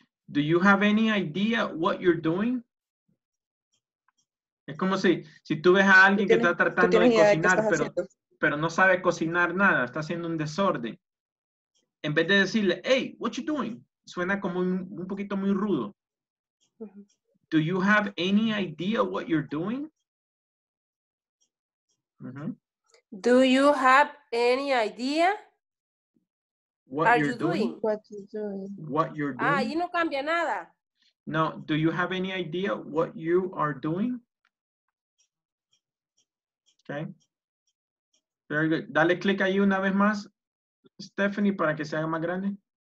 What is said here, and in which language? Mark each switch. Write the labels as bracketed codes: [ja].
[en] Do you have any idea what you're doing? [es] Es como si tú ves a alguien que está tratando de cocinar, pero no sabe cocinar nada, está haciendo un desorden. En vez de decirle, [en] hey, what you doing? [es] Suena como un poquito muy rudo. [en] Uh-huh. Do you have any idea what you're doing? Uh-huh. Do you have any idea? What are you're you doing? Doing? What you're doing? What you're doing? [es] Ah, ahí no cambia nada. [en] No, do you have any idea what you are doing? Okay. Very good. [es] Dale click ahí una vez más, Stephanie, para que se haga más grande.